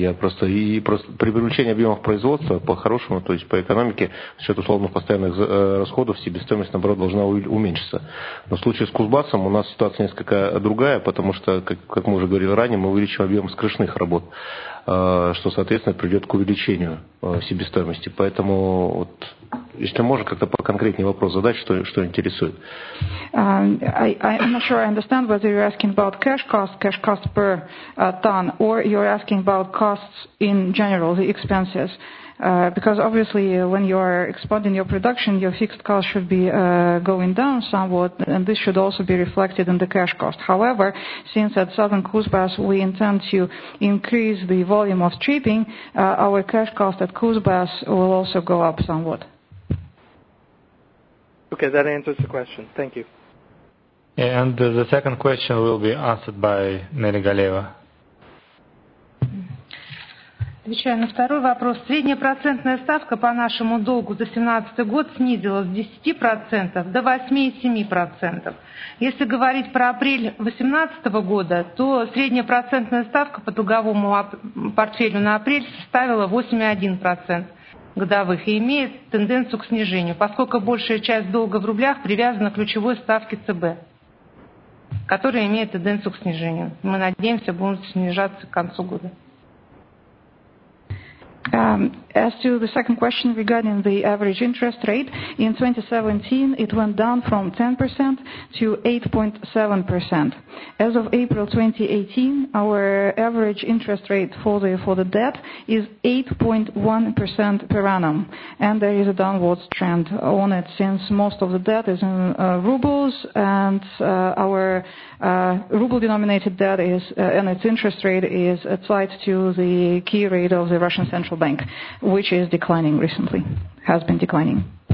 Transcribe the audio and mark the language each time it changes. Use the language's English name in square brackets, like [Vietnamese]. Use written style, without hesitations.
[Russian] Просто при привлечении объемов производства по-хорошему, то есть по экономике, за счет условных постоянных расходов, себестоимость, наоборот, должна уменьшиться. Но в случае с Кузбассом у нас ситуация несколько другая, потому что, как мы уже говорили ранее, мы увеличиваем объем скрышных работ, что, соответственно, приведет к увеличению себестоимости. Поэтому, вот, если можно, как-то поконкретнее вопрос задать, что интересует. [English] I'm not sure I understand whether you're asking about cash cost per ton, or you're asking about costs in general, the expenses. Because obviously when you are expanding your production, your fixed cost should be going down somewhat, and this should also be reflected in the cash cost. However, since at Southern Kuzbass we intend to increase the volume of stripping, our cash cost at Kuzbass will also go up somewhat. Okay, that answers the question. Thank you. And the second question will be answered by Mary Galeva. [Russian] Отвечая на второй вопрос, средняя процентная ставка по нашему долгу за 2017 год снизилась с 10% до 8,7%. Если говорить про апрель 2018 года, то средняя процентная ставка по долговому портфелю на апрель составила 8,1% годовых и имеет тенденцию к снижению, поскольку большая часть долга в рублях привязана к ключевой ставке ЦБ, которая имеет тенденцию к снижению. Мы надеемся, будут снижаться к концу года. [English] As to the second question regarding the average interest rate, in 2017 it went down from 10% to 8.7%. As of April 2018, our average interest rate for the debt is 8.1% per annum, and there is a downward trend on it since most of the debt is in rubles, and our ruble-denominated debt is and its interest rate is tied to the key rate of the Russian Central Bank, which is declining recently, has been declining.